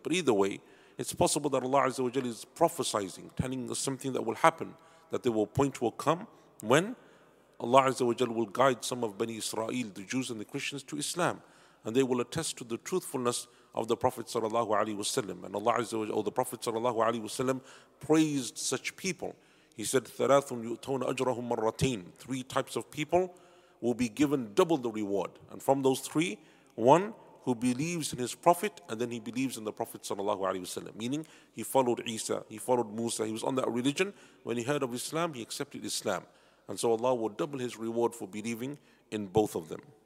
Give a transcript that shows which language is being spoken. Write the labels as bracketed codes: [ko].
[en] But either way, it's possible that Allah Azza wa Jalla is prophesizing, telling us something that will happen. that the point will come when Allah Azza wa Jal will guide some of Bani Israel, the Jews and the Christians, to Islam. And they will attest to the truthfulness of the Prophet sallallahu alaihi wasallam. And Allah Azza wa Jal, or the Prophet sallallahu alaihi wasallam, praised such people. He said, [ar] ثَلَاثٌ يُؤْتَوْنَ أَجْرَهُمْ مَرَّتَيْنِ. [en] Three types of people will be given double the reward. And from those three, one who believes in his Prophet, and then he believes in the Prophet sallallahu alaihi wasallam. Meaning, he followed Isa, he followed Musa, he was on that religion. When he heard of Islam, he accepted Islam. And so Allah will double his reward for believing in both of them.